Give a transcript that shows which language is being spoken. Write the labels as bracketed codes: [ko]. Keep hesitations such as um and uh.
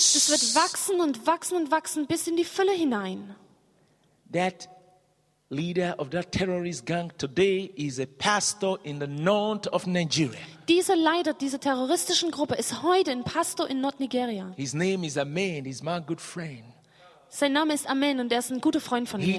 [de] wird wachsen und wachsen und wachsen bis in die Fülle hinein. [en] That leader of that terrorist gang today is a pastor in the north of Nigeria. [de] Dieser Leiter dieser terroristischen Gruppe ist heute ein Pastor in Nordnigeria. [en] His name is Amen. He's my good friend. [de] Sein Name ist Amen und er ist ein guter Freund von He